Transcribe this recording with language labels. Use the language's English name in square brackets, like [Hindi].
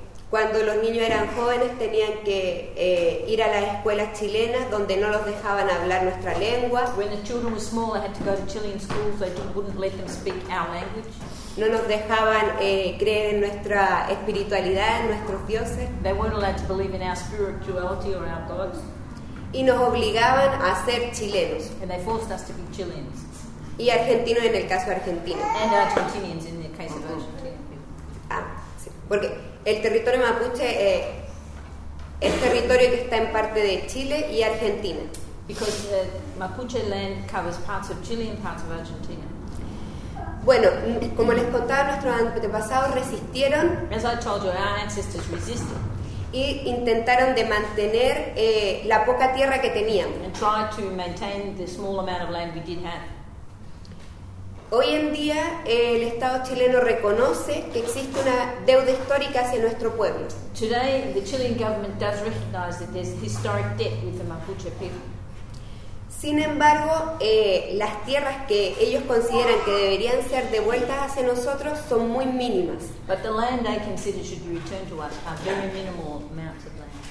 [Spanish] Cuando los niños eran jóvenes tenían que ir a las escuelas chilenas donde no los dejaban hablar nuestra lengua. [English] When the children were small, they had to go to Chilean schools. They wouldn't let them speak our language. [Spanish] No nos dejaban creer en nuestra espiritualidad, en nuestros dioses. [English] They weren't allowed to believe in our spirituality or our gods. [Spanish] Y nos obligaban a ser chilenos. [English] And they forced us to be Chileans. [Spanish] Y argentinos en el caso argentino. [English] And Argentinians in the case of Argentina. [Spanish] Ah, sí, porque el territorio mapuche es territorio que está en parte de Chile y Argentina. [English] Because Mapuche land covers parts of Chile and parts of Argentina. [Spanish] Bueno, como les contaba, nuestros antepasados resistieron. [English] As I told you, our ancestors resisted. [Spanish] Y intentaron de mantener la poca tierra que tenían. [English] And tried to maintain the small amount of land we did have. [Spanish] Hoy en día, el Estado chileno reconoce que existe una deuda histórica hacia nuestro pueblo. [English] Today, the Chilean government does recognize that there's historic debt with the Mapuche people. [Spanish] Sin embargo, las tierras que ellos consideran que deberían ser devueltas hacia nosotros son muy mínimas. [English] But the land they consider should be returned to us are very minimal amounts of land.